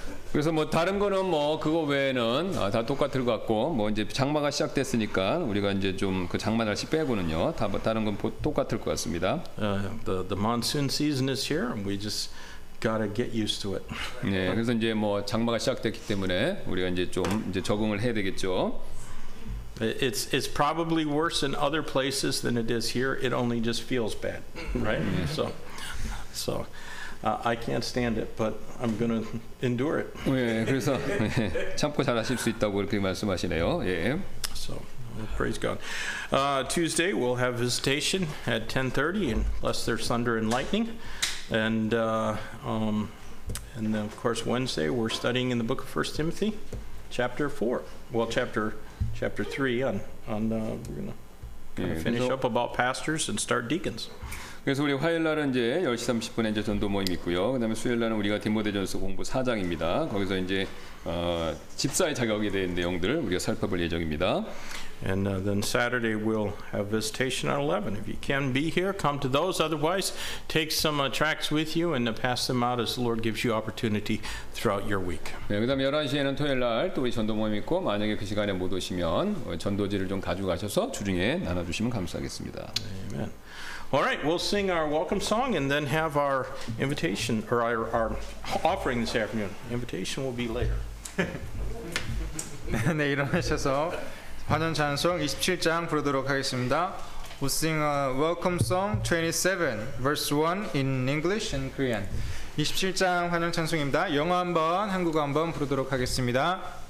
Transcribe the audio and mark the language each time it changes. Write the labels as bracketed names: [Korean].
[Korean] 그래서 뭐 다른 거는 뭐 그거 외에는 다 똑같을 것 같고 뭐 이제 장마가 시작됐으니까 우리가 이제 좀 그 장마 날씨 빼고는요 다 다른 건 똑같을 것 같습니다. [English] The monsoon season is here. And we just gotta get used to it. [Korean] 네, 그래서 이제 뭐 장마가 시작됐기 때문에 우리가 이제 좀 이제 적응을 해야 되겠죠. [English] It's probably worse in other places than it is here. It only just feels bad, right? [Korean] 네. [English] So. I can't stand it, but I'm going to endure it. [Korean] 예, 그래서 참고 잘하실 수 있다고 그렇게 말씀하시네요. 예. [English] So, Praise God. Tuesday, we'll have visitation at 10:30, unless there's thunder and lightning. And then, of course, Wednesday, we're studying in the book of 1 Timothy, chapter 4. Well, chapter 3, we're going to finish up about pastors and start deacons. [Korean] 그래서 우리 화요일날은 이제 10시 30분에 이제 전도 모임이 있고요. 그 다음에 수요일날은 우리가 디모데전서 공부 4장입니다. 거기서 이제 집사의 자격에 대한 내용들 우리가 살펴볼 예정입니다. [English] And then Saturday we'll have visitation at 11. If you can be here, come to those. Otherwise, take some tracts with you and pass them out as the Lord gives you opportunity throughout your week. [Korean] 네, 그 다음에 11시에는 토요일날 또 우리 전도 모임이 있고 만약에 그 시간에 못 오시면 전도지를 좀 가져가셔서 주중에 나눠주시면 감사하겠습니다. [English] Amen. All right, we'll sing our welcome song and then have our invitation or our offering this afternoon. Invitation will be later. [Korean] 네, 일어나셔서 환영 찬송 27장 부르도록 하겠습니다. [English] We'll sing a welcome song 27, verse 1 in English and Korean. [Korean] 27장 환영 찬송입니다. 영어 한번, 한국어 한번 부르도록 하겠습니다.